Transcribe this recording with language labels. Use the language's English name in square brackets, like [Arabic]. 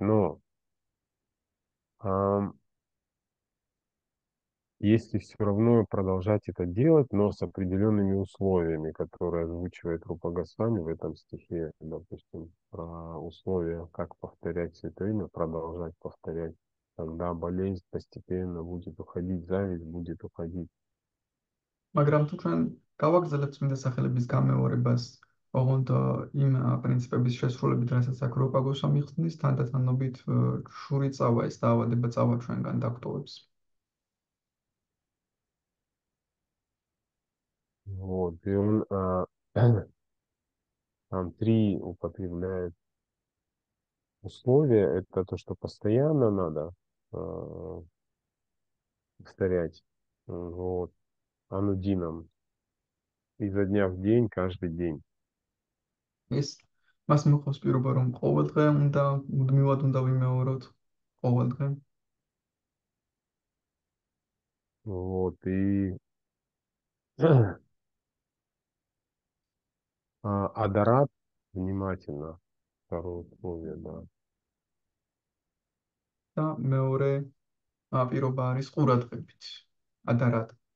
[Russian] Но если все равно продолжать это делать, но с определенными условиями, которые озвучивает Рупа Госвами в этом стихе, допустим, про условия, как повторять все это время, продолжать повторять. Тогда болезнь постепенно будет уходить, зависть будет уходить. [Georgian] მაგრამ თუ ჩვენ გავაგრძელებთ წმინდა სახელების გამეორებას, ოღონდ იმ პრინციპების შესრულებით, რასაც აქ როპა გოსვამი ხსნის, თანდათანობით შური წავა ეს დაავადება წავა ჩვენგან დაგვტოვებს. [Russian] Вот, и он там три употребляет условия. Это то, что постоянно надо повторять вот анудином изо дня в день, каждый день. [Georgian] ეს მას მოყვს პირობა, რომ ყოველდღე უნდა მუდმივად უნდა ვიმეოროთ ყოველდღე. [Russian] Вот и адорат внимательно второе условие, да. [Georgian] და მეორე პირობა არის ყურადღებით, ადარად.